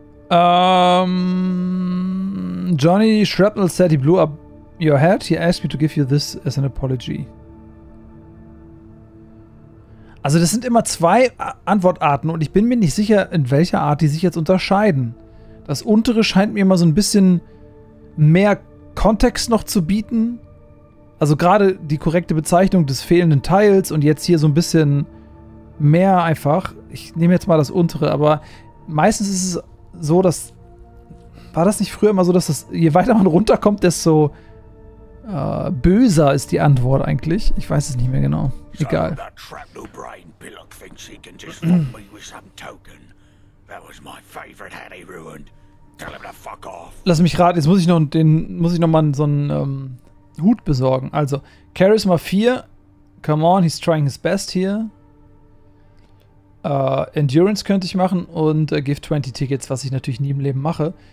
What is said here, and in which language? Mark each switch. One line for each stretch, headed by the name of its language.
English: Johnny Shrapnel said he blew up your head. He asked me to give you this as an apology.
German: Also das sind immer zwei Antwortarten und ich bin mir nicht sicher, in welcher Art die sich jetzt unterscheiden. Das untere scheint mir immer so ein bisschen mehr Kontext noch zu bieten. Also gerade die korrekte Bezeichnung des fehlenden Teils und jetzt hier so ein bisschen mehr einfach. Ich nehme jetzt mal das untere, aber meistens ist es so, dass... War das nicht früher immer so, dass das, je weiter man runterkommt, desto böser ist die Antwort eigentlich? Ich weiß es nicht mehr genau. Egal.
English: So, that shrapnel brain Pillock thinks he can just fuck me with some token. That was my favorite Harry ruined. Tell him to fuck off.
German: Lass mich raten, jetzt muss ich noch mal so einen Hut besorgen.
English: Also, Charisma 4. Come on, he's trying his best here.
German: Endurance könnte ich machen und
English: give 20 Tickets,
German: was ich natürlich nie im Leben mache.